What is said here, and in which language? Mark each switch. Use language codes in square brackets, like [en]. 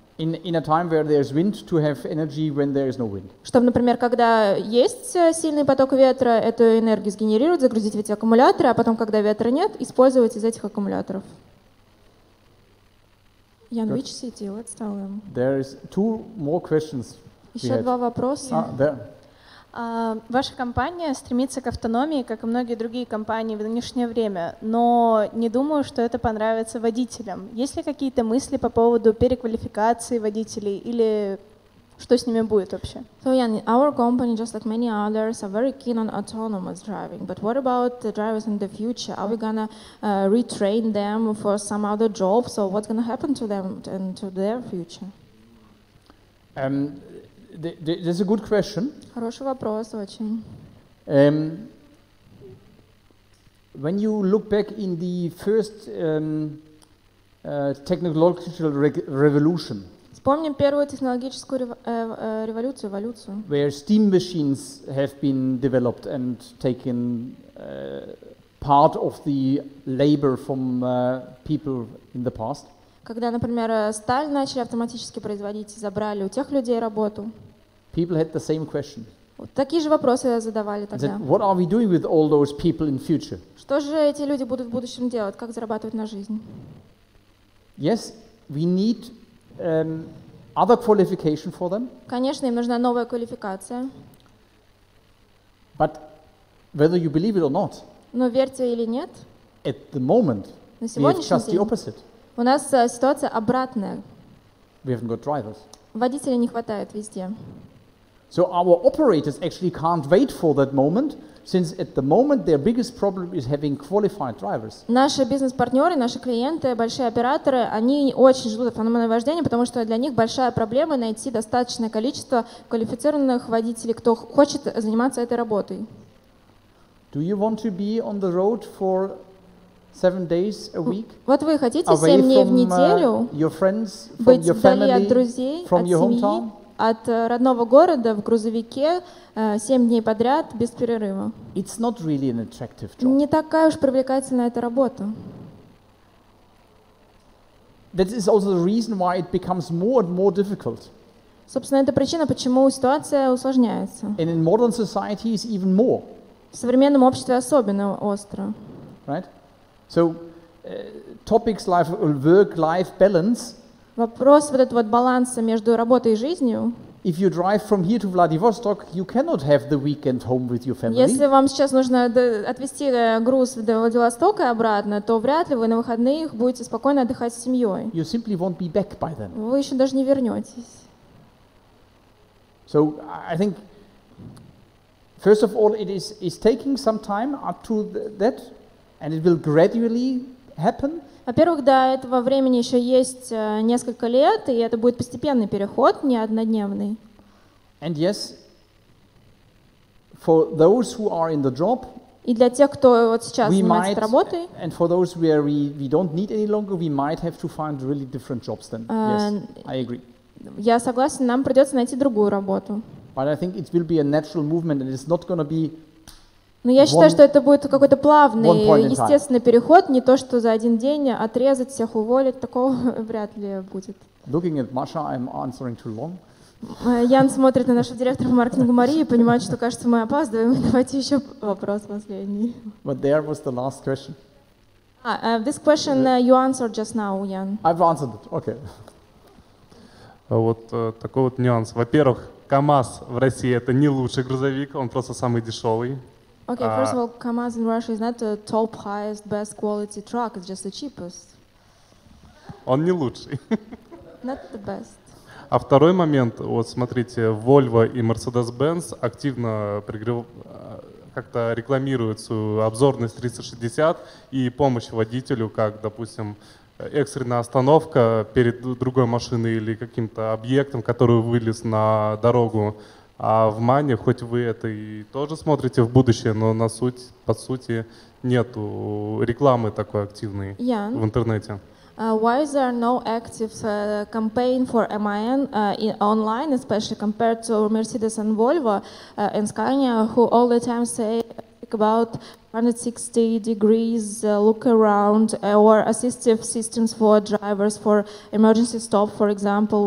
[en] In a time where there's wind, to have energy when there is no wind. [ru] Чтобы, например, когда есть сильный поток ветра, эту энергию сгенерировать, загрузить в эти аккумуляторы, а потом, когда ветра нет, использовать из этих аккумуляторов. [en] Янвич Сити, let's tell them. There is two more questions. [ru] Еще два вопроса. Ваша компания стремится к автономии, как и многие другие компании в нынешнее время, но не думаю, что это понравится водителям. Есть ли какие-то мысли по поводу переквалификации водителей или что с ними будет вообще? [en] So, Jan, our company, just like many others, are very keen on autonomous driving. But what about the drivers in the future? Are we gonna retrain them for some other jobs, or what's gonna happen to them and to their future? This is a good question. [ru] Хороший вопрос, очень. [en] When you look back in the first technological revolution, [ru] вспомним первую технологическую революцию, эволюцию, [en] where steam machines have been developed and taken part of the labor from people in the past. [ru] Когда, например, сталь начали автоматически производить и забрали у тех людей работу. [en] People had the same question. [ru] Вот такие же вопросы задавали тогда. [en] What are we doing with all those people in future? [ru] Что же эти люди будут в будущем делать? Как зарабатывать на жизнь? [en] Yes, we need other qualification for them. [ru] Конечно, им нужна новая квалификация. [en] But whether you believe it or not, [ru] но верьте или нет, [en] at the moment, [ru] на сегодняшний день, [en] we have just the opposite. [ru] У нас ситуация обратная. [en] We haven't got drivers. [ru] Водителей не хватает везде. [en] So our operators actually can't wait for that moment, since at the moment their biggest problem is having qualified drivers. [ru] Наши бизнес-партнеры, наши клиенты, большие операторы, они очень ждут автономного вождения, потому что для них большая проблема найти достаточное количество квалифицированных водителей, кто хочет заниматься этой работой. [en] Do you want to be on the road for 7 days a week? [ru] Вот вы хотите 7 дней в неделю [en] your friends, [ru] быть [en] your family, [ru] вдали от друзей, [en] from [ru] от семьи? От родного города в грузовике 7 дней подряд без перерыва. [en] It's not really an attractive job. [ru] Не такая уж привлекательная эта работа. [en] That is also the reason why it becomes more and more difficult. [ru] Собственно, это причина, почему ситуация усложняется. [en] And in modern society is even more. [ru] В современном обществе особенно остро. [en] Right? So topics like work-life balance. [ru] Вопрос вот этого вот баланса между работой и жизнью. [en] If you drive from here to Vladivostok, you cannot have the weekend home with your family. [ru] Если вам сейчас нужно отвезти груз до Владивостока и обратно, то вряд ли вы на выходных будете спокойно отдыхать с семьей. [en] You simply won't be back by then. [ru] Вы еще даже не вернетесь. [en] So I think, first of all, it is taking some time up to that, and it will gradually happen. [ru] Во-первых, до этого времени еще есть несколько лет, и это будет постепенный переход, не однодневный. [en] And yes, for those who are in the job, [ru] и для тех, кто вот сейчас занимается работой, [en] and for those where we don't need any longer, we might have to find really different jobs then. Yes, I agree. [ru] Я согласен, нам придется найти другую работу. [en] But I think it will be a natural movement, and it's not going to be. [ru] Но я считаю, что это будет какой-то плавный, естественный переход, не то, что за один день отрезать всех, уволить, такого вряд ли будет. [en] Looking at Masha, I'm answering too long. [ru] Ян смотрит на нашего директора по маркетингу Марии и понимает, что, кажется, мы опаздываем. Давайте еще вопрос последний. [en] But there was the last question. This question you answered just now, Ян. I've answered it, okay. [ru] Вот такой вот нюанс. Во-первых, КамАЗ в России — это не лучший грузовик, он просто самый дешевый. [en] Okay, first of all, КамАЗ in Russia is not the top, highest, best quality truck. It's just the cheapest. [ru] Он не лучший. [en] Not the best. [ru] А второй момент, вот смотрите, Volvo и Mercedes-Benz активно как-то рекламируют свою обзорность 360 и помощь водителю, как, допустим, экстренная остановка перед другой машиной или каким-то объектом, который вылез на дорогу. А в Мане, хоть вы это и тоже смотрите в будущее, но на суть, по сути, нету рекламы такой активной в интернете. [en] Why is there no active campaign for MAN online, especially compared to Mercedes and Volvo and Scania, who all the time say about 160 degrees look around or assistive systems for drivers for emergency stop, for example?